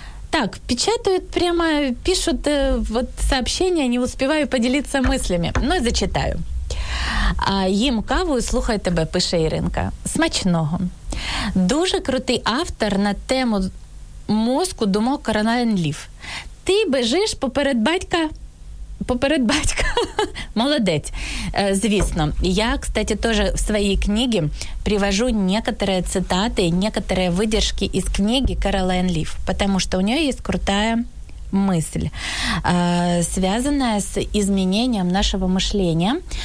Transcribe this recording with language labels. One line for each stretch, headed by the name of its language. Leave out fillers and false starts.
Russian: Так, печатают прямо, пишут вот сообщения, не успеваю поделиться мыслями, но зачитаю.
Ukrainian: «Їм каву і слухай тебе», пише Іринка. Смачного. Дуже крутий автор на тему мозку думок Каролайн Ліф. Ти бежиш поперед батька. Поперед батька. Молодець. Звісно.
Russian: Я, кстати, тоже
Ukrainian: в своїй
Russian: книге привожу некоторые цитаты, некоторые выдержки из книги Каролайн Ліф, потому что у нее есть крутая мысль, связанная с изменением нашего мышления.